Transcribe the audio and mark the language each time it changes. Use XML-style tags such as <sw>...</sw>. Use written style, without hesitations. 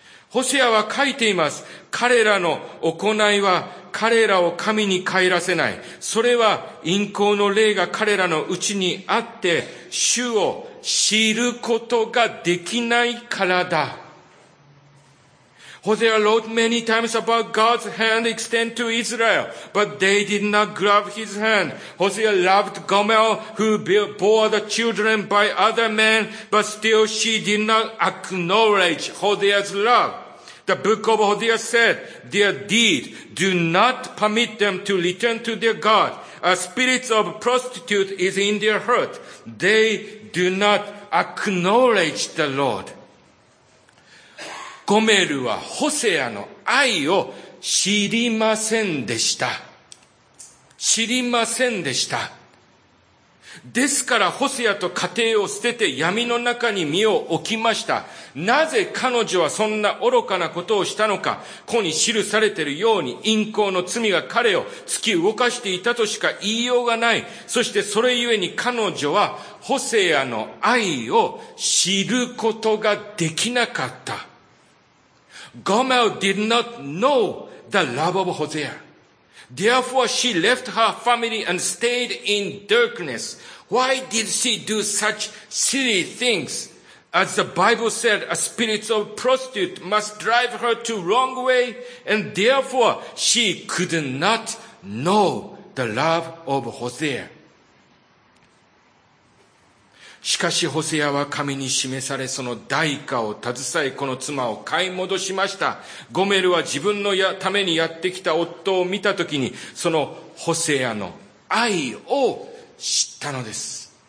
<ja>ホセアは書いています。彼らの行いは彼らを神に帰らせない。それは陰行の霊が彼らのうちにあって、主を知ることができないからだ。</ja> <en>Hosea wrote many times about God's hand extended to Israel, but they did not grab his hand. Hosea loved Gomer, who bore the children by other men, but still she did not acknowledge Hosea's love. The book of Hosea said, their deed, do not permit them to return to their God. A spirit of prostitute is in their heart. They do not acknowledge the Lord.</en> <ja>ゴメルはホセアの愛を知りませんでした。知りませんでした。ですからホセアと家庭を捨てて闇の中に身を置きました。なぜ彼女はそんな愚かなことをしたのか、ここに記されているように淫行の罪が彼を突き動かしていたとしか言いようがない。そしてそれゆえに彼女はホセアの愛を知ることができなかった。</ja> <en>Gomer did not know the love of Hosea. Therefore, she left her family and stayed in darkness. Why did she do such silly things? As the Bible said, a spirit of prostitute must drive her to wrong way, and therefore she could not know the love of Hosea.</en> <ja>しかしホセアは神に示されその代価を携えこの妻を買い戻しました。ゴメルは自分のためにやってきた夫を見たときにそのホセアの愛を知ったのです。</ja>